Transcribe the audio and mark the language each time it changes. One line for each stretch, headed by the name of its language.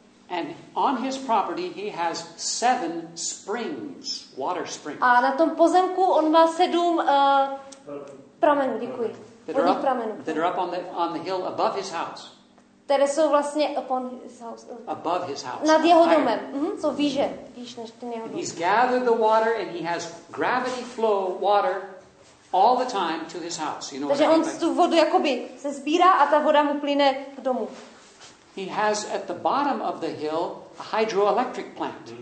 English: And on his property he has 7 springs, water springs.
Czech: A na tom pozemku on má 7 pramenů, děkuji. Vodních pramenů.
English: That are up on the hill above his house.
Czech: Které jsou vlastně
English: upon his house. Above his house.
Czech: Nad jeho domem. So výše, výš než ten jeho dom.
English: He's gathered the water and he has gravity flow water all the time to his house. You know.
Czech: Takže on tu vodu jakoby se sbírá a ta voda mu plyne k domu.
English: He has at the bottom of the hill a hydroelectric plant.